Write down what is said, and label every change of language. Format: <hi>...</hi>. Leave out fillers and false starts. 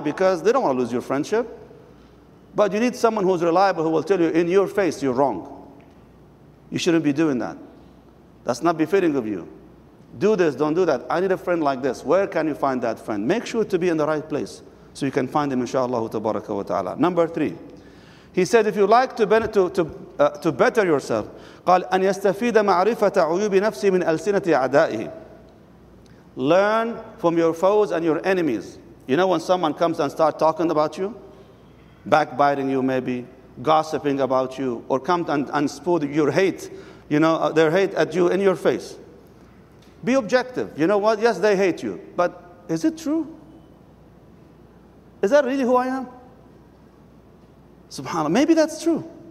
<en>Because they don't want to lose your friendship. But you need someone who's reliable who will tell you in your face you're wrong. You shouldn't be doing that. That's not befitting of you. Do this, don't do that. I need a friend like this. Where can you find that friend? Make sure to be in the right place so you can find him, inshallah, tabaraka wa ta'ala. Number three.</en> <ar>He said, if you like to better yourself, قال أن يستفيد معرفة عيوب نفسي من ألسنة أعدائه.</ar> <en>Learn from your foes and your enemies. You know when someone comes and starts talking about you? Backbiting you maybe, gossiping about you, or come and spew your hate, you know, their hate at you in your face. Be objective. You know what? Yes, they hate you. But is it true? Is that really who I am? SubhanAllah. Maybe that's true.</en>